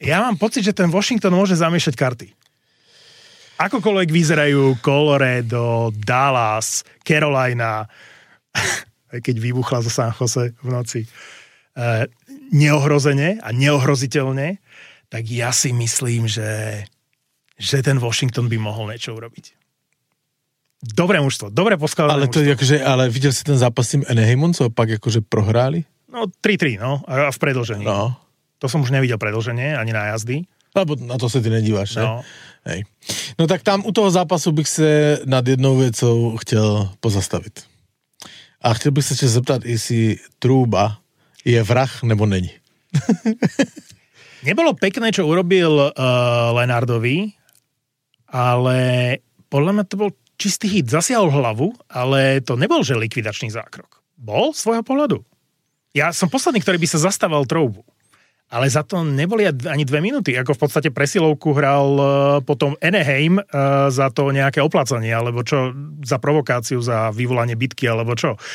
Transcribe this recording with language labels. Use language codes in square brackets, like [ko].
[sk] Ja mám pocit, že ten Washington môže zamiešať karty. Akokoľvek vyzerajú Colorado, Dallas, Carolina, aj keď vybuchla zo San Jose v noci, neohrozene a neohroziteľne, tak ja si myslím, že ten Washington by mohol niečo urobiť. Dobré mužstvo, dobre poskladané. Ale to mužstvo. Ale videl si ten zápas s tým Anaheimom, [cs] co opak akože prohráli? [sk] No, 3-3, no, a v predĺžení. No. To som už nevidel predĺženie, ani na jazdy. Lebo na to sa ty [cs] nedíváš, ne? Hej. No tak tam u toho zápasu bych sa nad jednou vecou chtěl pozastaviť. A chtěl bych sa ešte zeptat, jestli Trúba je vrah, nebo není. [sk] Nebolo pekné, čo urobil Leonardovi, ale podľa mňa to bol čistý hit, zasiahol hlavu, ale to nebol, že likvidačný zákrok. Bol svojho pohľadu. Ja som posledný, ktorý by sa zastával Troubu. Ale za to neboli ani dve minúty. Ako v podstate presilovku hral potom Anaheim za to nejaké oplacanie, alebo čo, za provokáciu, za vyvolanie bitky, alebo čo.